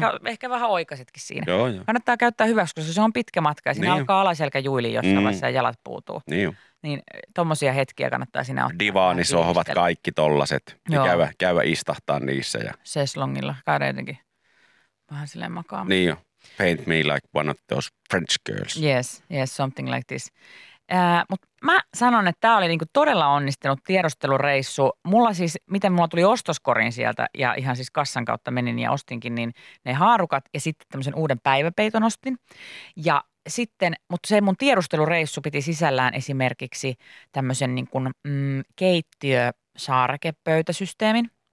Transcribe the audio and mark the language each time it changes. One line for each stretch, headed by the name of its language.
Finnish: Ehkä vähän oikaisetkin siinä. Joo, joo. Kannattaa käyttää hyväksi, koska se on pitkä matka ja siinä niin alkaa alaselkä juiliin jossain vaiheessa ja jalat puutuu. Niin, niin tommosia hetkiä kannattaa siinä ottaa. Divaanisohvat, kaikki tollaset. Käyvä istahtaa niissä. Ja seslongilla, käydä jotenkin vähän silleen makaamaan. Niin jo.
English: Paint me like one of those French girls. Yes, something like this.
Finnish: Mutta mä sanon, että tää oli niinku todella onnistunut tiedustelureissu. Mulla siis, miten mulla tuli ostoskorin sieltä ja ihan siis kassan kautta menin ja ostinkin, niin ne haarukat ja sitten tämmöisen uuden päiväpeiton ostin. Ja sitten, mutta se mun tiedustelureissu piti sisällään esimerkiksi tämmöisen niinku keittiösaarekepöytäsysteemin.